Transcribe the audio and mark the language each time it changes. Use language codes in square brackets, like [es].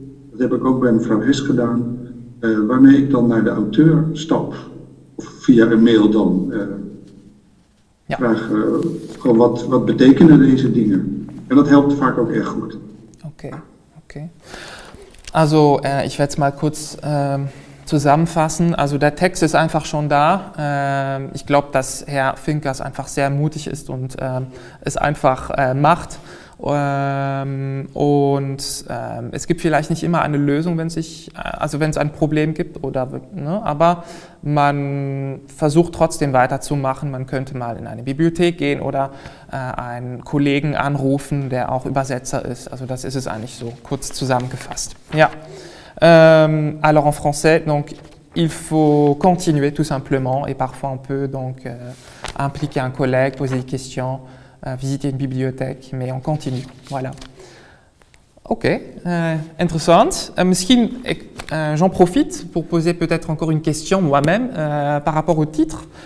[nl] Dat heb ik ook bij mevrouw Hes gedaan, waarmee ik dan naar de auteur stap. Of via een mail dan. Vraag gewoon wat betekenen deze dingen. En dat helpt vaak ook echt goed. Oké. [de] Also, [nl] ik werd het maar [de] kurz zusammenfassen. Also der Text ist einfach schon da. Ich glaube, dass Herr Finkers einfach sehr mutig ist und es einfach macht. Und es gibt vielleicht nicht immer eine Lösung, wenn es ein Problem gibt. Aber man versucht trotzdem weiterzumachen. Man könnte mal in eine Bibliothek gehen oder einen Kollegen anrufen, der auch Übersetzer ist. Also das ist es eigentlich so kurz zusammengefasst. Ja. [fr] Alors en français, donc il faut continuer tout simplement et parfois on peut donc impliquer un collègue, poser des questions, visiter une bibliothèque, mais on continue. Voilà. Ok, intéressant. J'en profite pour poser peut-être encore une question moi-même par rapport au titre.